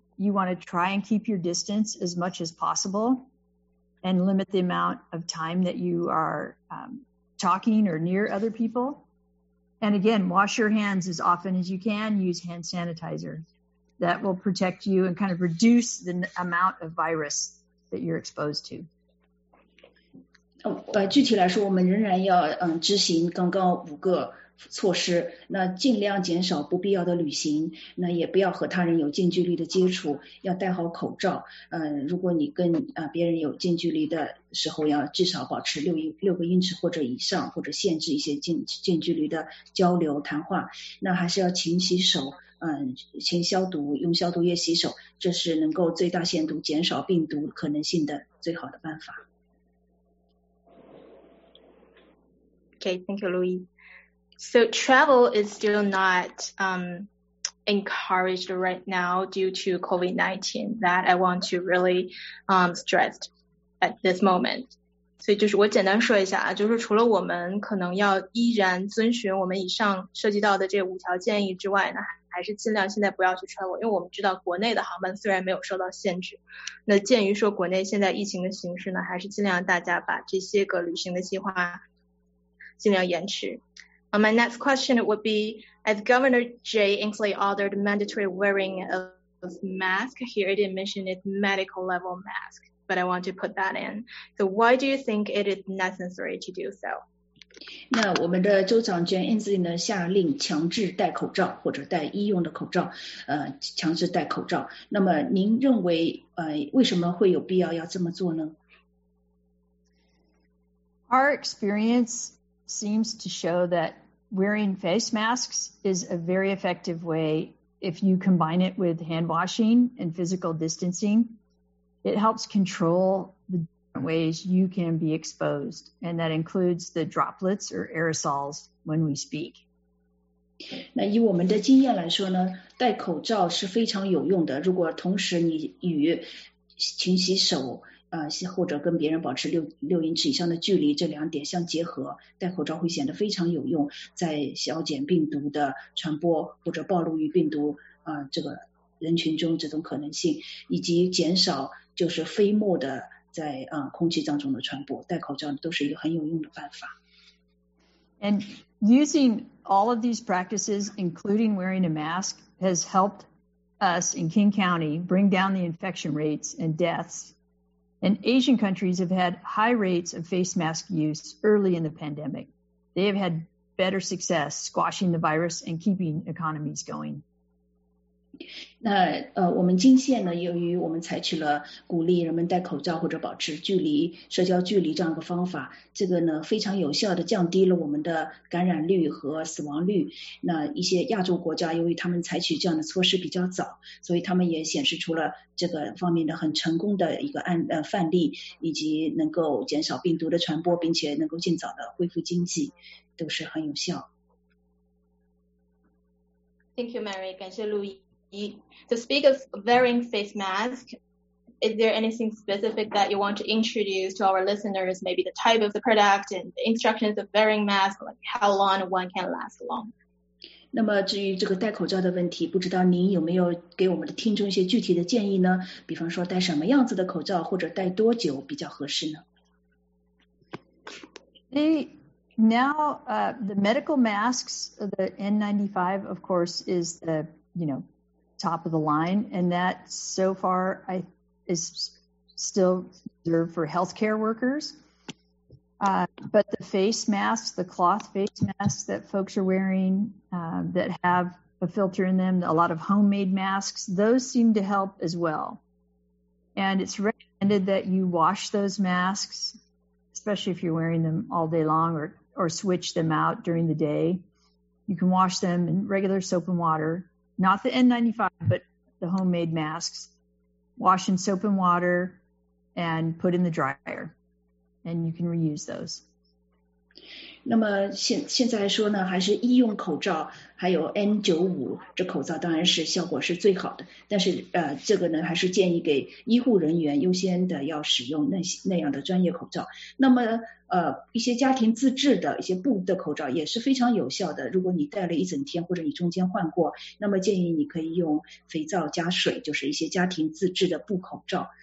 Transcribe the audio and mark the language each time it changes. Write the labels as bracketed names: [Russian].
[English] You want to try and keep your distance as much as possible and limit the amount of time that you are talking or near other people. And again, wash your hands as often as you can. Use hand sanitizer. That will protect you and kind of reduce the amount of virus that you're exposed to. [Chinese] 具体来说，我们仍然要执行刚刚五个措施，那尽量减少不必要的旅行，那也不要和他人有近距离的接触，要戴好口罩。如果你跟别人有近距离的时候，要至少保持六个英尺或者以上，或者限制一些近距离的交流谈话。那还是要勤洗手，勤消毒，用消毒液洗手，这是能够最大限度减少病毒可能性的最好的办法。 [English] Okay, thank you, Louis. So travel is still not encouraged right now due to COVID-19. That I want to really stress at this moment. [Chinese] 所以就是我简单说一下，就是除了我们可能要依然遵循我们以上涉及到的这五条建议之外呢，还是尽量现在不要去 travel， 因为我们知道国内的航班虽然没有受到限制，那鉴于说国内现在疫情的形势呢，还是尽量大家把这些个旅行的计划尽量延迟。 [English] My next question would be, as Governor Jay Inslee ordered mandatory wearing of mask, he already mentioned it's medical level mask, but I want to put that in. So why do you think it is necessary to do so? [Chinese] 那我们的州长 Jay Inslee 呢，下令强制戴口罩或者戴医用的口罩，强制戴口罩。那么您认为为什么会有必要要这么做呢？ [English] our experience seems to show that wearing face masks is a very effective way if you combine it with hand washing and physical distancing. It helps control the different ways you can be exposed, and that includes the droplets or aerosols when we speak. [Chinese] 那以我们的经验来说呢，戴口罩是非常有用的。如果同时你与勤洗手，或者跟别人保持6英尺以上的距离，这两点相结合，戴口罩会显得非常有用，在消减病毒的传播或者暴露于病毒这个人群中这种可能性，以及减少就是飞沫的在空气当中的传播，戴口罩都是一个很有用的办法。 [English] And using all of these practices, including wearing a mask, has helped us in King County bring down the infection rates and deaths. And Asian countries have had high rates of face mask use early in the pandemic. They have had better success squashing the virus and keeping economies going. [Chinese] 那我们泾县呢，由于我们采取了鼓励人们戴口罩或者保持距离、社交距离这样一个方法，这个呢非常有效的降低了我们的感染率和死亡率。那一些亚洲国家由于他们采取这样的措施比较早，所以他们也显示出了这个方面的很成功的一个范例，以及能够减少病毒的传播，并且能够尽早的恢复经济，都是很有效。 [English] Thank you, Mary. [Chinese] 感谢路易。 [English] So speak of wearing face mask, is there anything specific that you want to introduce to our listeners, maybe the type of the product and the instructions of wearing mask, like how long one can last long? [Chinese] 那么至于这个戴口罩的问题，不知道您有没有给我们的听众一些具体的建议呢？比方说戴什么样子的口罩或者戴多久比较合适呢？ [English] The medical masks, the N95, of course, is the, top of the line, and that so far is still reserved for healthcare workers. But the face masks, the cloth face masks that folks are wearing that have a filter in them, a lot of homemade masks, those seem to help as well. And it's recommended that you wash those masks, especially if you're wearing them all day long or switch them out during the day. You can wash them in regular soap and water. Not the N95, but the homemade masks. Wash in soap and water and put in the dryer. And you can reuse those. [Chinese] 那么现在说呢，还是医用口罩，还有 N95 这口罩当然是效果是最好的。但是这个呢，还是建议给医护人员优先的要使用那样的专业口罩。那么一些家庭自制的一些布的口罩也是非常有效的。如果你戴了一整天或者你中间换过，那么建议你可以用肥皂加水，就是一些家庭自制的布口罩。